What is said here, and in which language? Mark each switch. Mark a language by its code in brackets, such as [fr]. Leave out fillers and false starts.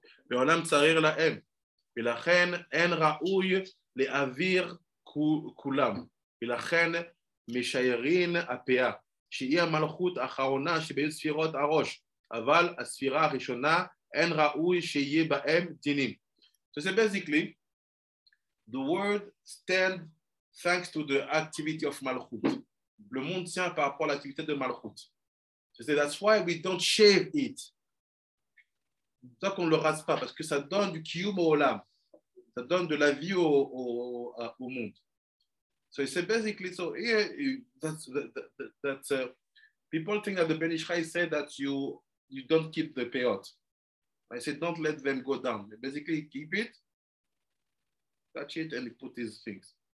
[he] ועולם צריר להם, ולכן אין ראוי להעביר כולם, ולכן משיירין הפאה, שהיא המלכות האחרונה שבין ספירות הראש, אבל הספירה הראשונה אין ראוי שיהיה בהם דינים. [en] So it's basically, the world stands thanks to the activity of מלכות. [fr] Le monde tient par rapport à l'activité de מלכות. [en] So that's why we don't shave it. [fr] C'est ça qu'on ne le rase pas, parce que ça donne du kiyum au olam. Ça donne de la vie au monde. [en] So it's basically, so here, that's people think that the Ben Ish Chai said that you don't keep the peyot. I said, don't let them go down. They basically, keep it, touch it, and put these things.